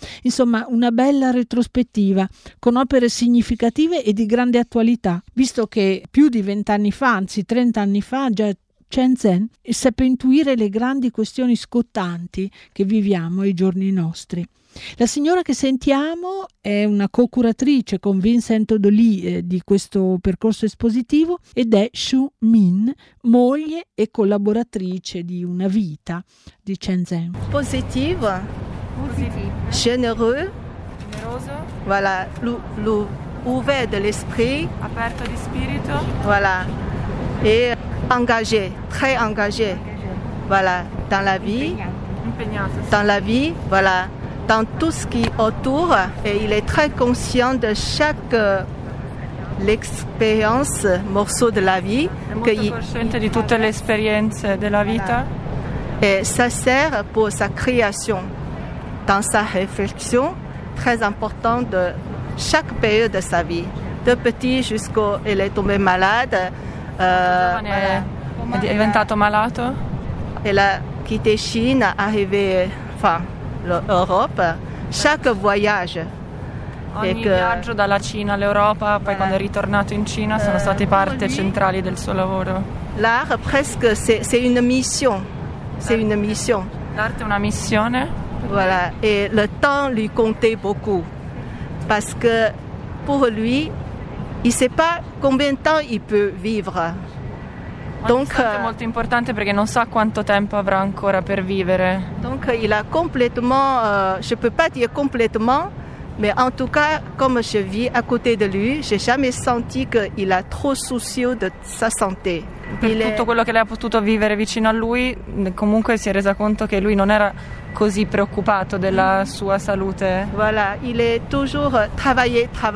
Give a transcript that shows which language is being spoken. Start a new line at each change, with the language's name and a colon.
Italian: Insomma, una bella retrospettiva con opere significative e di grande attualità, visto che più di 30 anni fa, già Chen Zhen seppe intuire le grandi questioni scottanti che viviamo ai giorni nostri. La signora che sentiamo è una co-curatrice con Vincent Dolì di questo percorso espositivo ed è Xu Min, moglie e collaboratrice di una vita di Chen Zhen. Positiva.
French: Généreux, voilà, ouvert de l'esprit,
Italian: aperto di spirito,
French: voilà, et engagé, très engagé, voilà, dans la vie,
Italian: impegnato,
French: dans la vie, voilà, dans tout ce qui autour, et il est très conscient de chaque l'expérience, morceau de la vie,
Italian: che è molto cosciente di tutte le esperienze della vita,
French: et ça sert pour sa création. Dans sa réflexion, très importante de chaque période de sa vie, de petit jusqu'au il est tombé malade,
Italian: voilà. È diventato malato.
French: Il a quitté Chine, arrivé enfin l'Europe. Chaque voyage.
Italian: Ogni viaggio dalla Cina all'Europa, poi quando è ritornato in Cina, sono state parte centrali del suo lavoro.
French: L'art presque c'est une mission. C'est une mission.
Italian: L'arte è una missione.
French: Voilà, et le temps lui comptait beaucoup, parce que pour lui, il ne sait pas combien de temps il peut vivre. Donc, c'est
Italian: molto importante perché non sa quanto tempo avrà ancora per vivere.
French: Donc il a complètement, je ne peux pas dire complètement, mais en tout cas, comme je vis à côté de lui, je n'ai jamais senti qu'il a trop soucieux de sa santé.
Italian: Per il tutto quello che lei ha potuto vivere vicino a lui, comunque si è resa conto che lui non era così preoccupato della sua salute.
French: Voilà, il est toujours travailler.